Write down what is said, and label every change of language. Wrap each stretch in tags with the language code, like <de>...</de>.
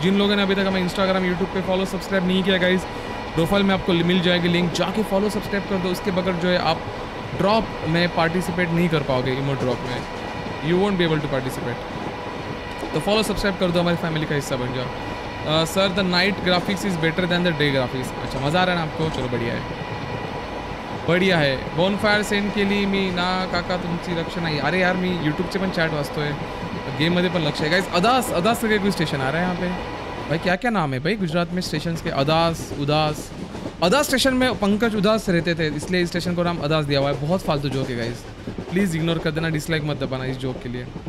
<hi>जिन लोगों ने अभी तक हमें इंस्टाग्राम यूट्यूब पे फॉलो सब्सक्राइब नहीं किया गाइज, प्रोफाइल में आपको मिल जाएगी लिंक, जाके फॉलो सब्सक्राइब कर दो, उसके बगैर जो है आप ड्रॉप में पार्टिसिपेट नहीं कर पाओगे, इमोट ड्रॉप में</hi> <en>You won't be able to participate.</en> <hi>तो फॉलो सब्सक्राइब कर दो, हमारी फैमिली का हिस्सा बन जाओ।</hi> <en>sir the night graphics is better than the day graphics,</en> <hi>अच्छा मज़ा आ रहा है ना आपको, चलो बढ़िया है बढ़िया है।</hi> <mr>बोन फायर सेंड के लिए मी ना काका तुमची रक्षा नाही, अरे यार मी यूट्यूबचे पण चॅट वाचतो आहे, गेम मध्ये पण लक्ष आहे गाईज।</mr> <hi>अदास अदास सगळे कोई स्टेशन आ रहा है यहाँ पे भाई, क्या क्या नाम है भाई गुजरात में स्टेशन्स के, अदास उदास, अदास स्टेशन में पंकज उदास रहते थे, इसलिए इस स्टेशन को नाम अदास दिया हुआ है। बहुत फालतू जोक है गाइज, प्लीज इग्नोर कर देना, डिसलाइक मत दबाना इस जोक के लिए।</hi>